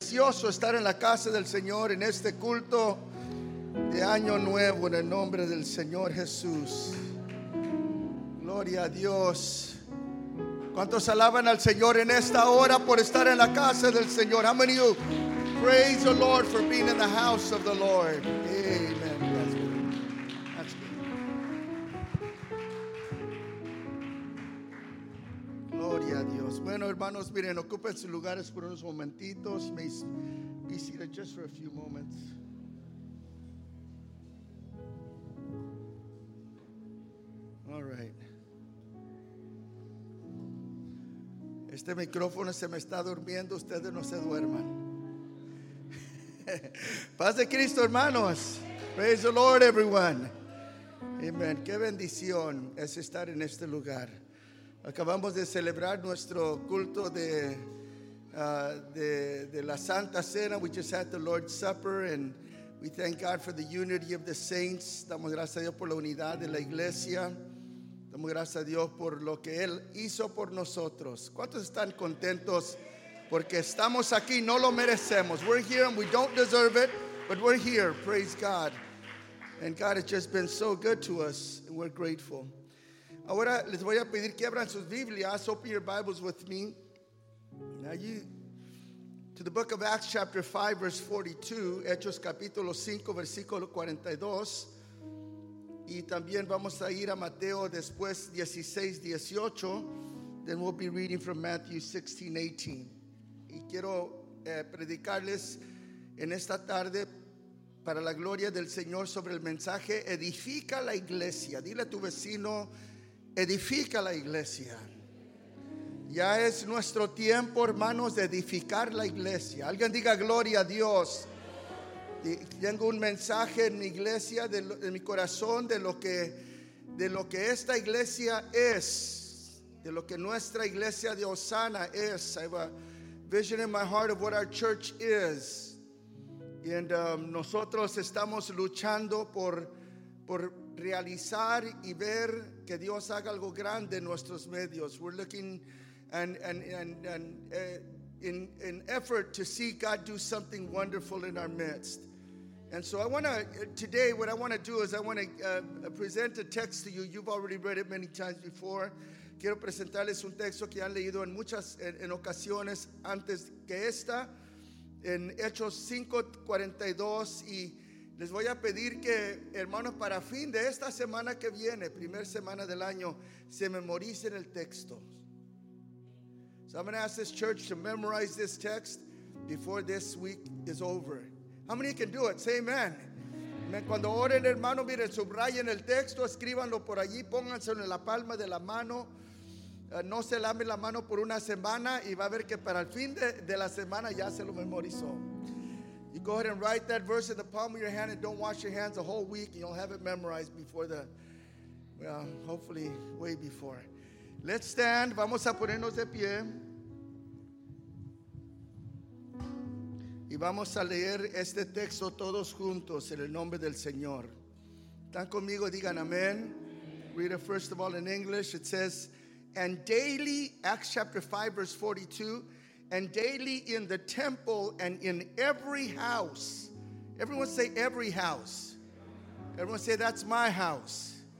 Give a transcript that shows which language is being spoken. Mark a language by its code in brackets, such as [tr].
[es] precioso estar en la casa del Señor en este culto de año nuevo en el nombre del Señor Jesús. Gloria a Dios. ¿Cuántos alaban al Señor en esta hora por estar en la casa del Señor? [en] How many of you praise the Lord for being in the house of the Lord? Amen. That's good. That's good. [es] Gloria a Dios. Bueno, hermanos, miren, ocupen sus lugares por unos momentitos. [en] May be seated just for a few moments. All right. [es] Este micrófono se me está durmiendo, ustedes no se duerman. Paz de Cristo, hermanos. [en] Praise the Lord, everyone. Amen. [es] Qué bendición es estar en este lugar. Acabamos de celebrar nuestro culto de la Santa Cena. [en] We just had the Lord's Supper, and we thank God for the unity of the saints. [es] Damos gracias a Dios por la unidad de la iglesia. Damos gracias a Dios por lo que Él hizo por nosotros. ¿Cuántos están contentos? Porque estamos aquí, no lo merecemos. [en] We're here and we don't deserve it, but we're here. Praise God. And God has just been so good to us, and we're grateful. [es] Ahora les voy a pedir que abran sus Biblias. [en] Open your Bibles with me. Now you, to the book of Acts chapter 5 verse 42, [es] Hechos capítulo 5 versículo 42. Y también vamos a ir a Mateo después 16:18. [en] Then we'll be reading from Matthew 16:18. [es] Y quiero predicarles en esta tarde para la gloria del Señor sobre el mensaje edifica la iglesia. Dile a tu vecino, edifica la iglesia. Ya es nuestro tiempo, hermanos, de edificar la iglesia. Alguien diga gloria a Dios. Tengo un mensaje en mi iglesia, de mi corazón, de lo que esta iglesia es, de lo que nuestra iglesia de Hosanna es. [en] I have a vision in my heart of what our church is. [es] And nosotros estamos luchando por realizar y ver que Dios haga algo grande en nuestros medios. [en] We're looking in effort to see God do something wonderful in our midst. And so I want to, today, what I want to do is I want to present a text to you. You've already read it many times before. [es] Quiero presentarles un texto que han leído en muchas en ocasiones antes que esta, en Hechos 5:42. Y les voy a pedir que, hermanos, para fin de esta semana que viene, primer semana del año, se memoricen el texto. [en] So I'm going to ask this church to memorize this text before this week is over. How many can do it? Say amen. Amen. [es] Cuando oren, hermano, miren, subrayen el texto, escríbanlo por allí, pónganselo en la palma de la mano. No se lame la mano por una semana y va a ver que para el fin de la semana ya se lo memorizó. [en] You go ahead and write that verse in the palm of your hand and don't wash your hands a whole week and you'll have it memorized before the, well, hopefully way before. Let's stand. [es] Vamos a ponernos de pie. Y vamos a leer este texto todos juntos en el nombre del Señor. Están conmigo, digan amén. [en] Read it first of all in English. It says, and daily, Acts chapter 5 verse 42, and daily in the temple and in every house. Everyone say every house. Everyone say that's my house.